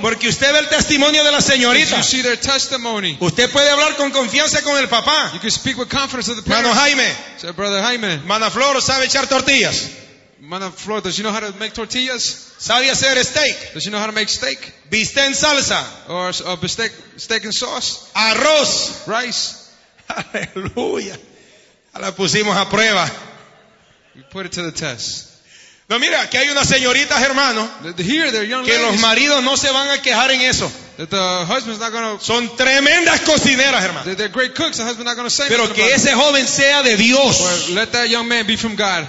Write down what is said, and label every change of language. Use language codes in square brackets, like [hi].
[es] Porque usted ve el testimonio de la señorita. [en] You see their testimony. [es] Usted puede hablar con confianza con el papá. [en] You can speak with confidence of the parents. [es] Mano Jaime. [en] So, brother Jaime. [es] Mana Flor sabe echar tortillas. [en] Mana Flor, does she know how to make tortillas? [es] Sabe hacer steak. [en] Does she know how to make steak? [es] Bistec en salsa. [en] Or bistec, steak and sauce. [es] Arroz. [en] Rice. [es] Aleluya. La pusimos a prueba. [en] We put it to the test. [es] No, mira, aquí hay unas señoritas, hermano, que los maridos no se van a quejar en eso. [en] That the husband's not gonna, [es] son tremendas cocineras, hermano. [en] They're great cooks, the husband's not gonna say. [es] Pero que ese joven sea de Dios. [en] Or let that young man be from God.